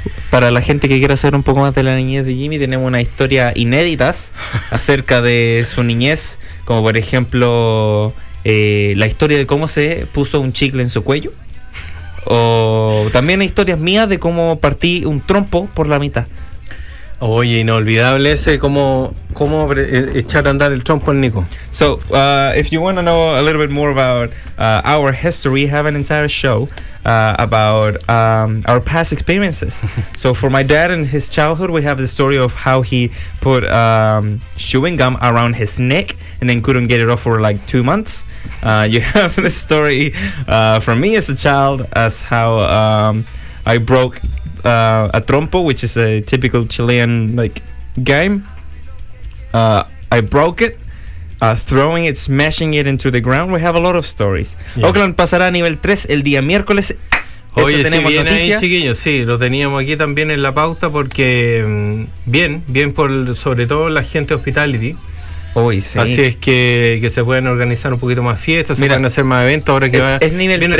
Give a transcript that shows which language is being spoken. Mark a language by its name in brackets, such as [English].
[Spanish] Para la gente que quiera saber un poco más de la niñez de Jimmy, tenemos una historia inéditas acerca de su niñez, como por ejemplo... la historia de cómo se puso un chicle en su cuello. O también historias mías de cómo partí un trompo por la mitad. Oye, inolvidable ese, cómo echar a andar el trompo en Nico. [English] So, if you want to know a little bit more about our history, we have an entire show about our past experiences. So, for my dad and his childhood, we have the story of how he put chewing gum around his neck and then couldn't get it off for like 2 months. You have the story from me as a child as how I broke a trompo, which is a typical Chilean like game. I broke it, throwing it, smashing it into the ground. We have a lot of stories. Yeah. [Spanish] Oakland pasará a nivel 3 el día miércoles. Oye, si viene ahí, chiquillos, sí, lo teníamos aquí también en la pauta porque bien por sobre todo la gente hospitality. Uy, sí. Así es que se pueden organizar un poquito más fiestas. Mira, se pueden hacer más eventos ahora que es nivel 3.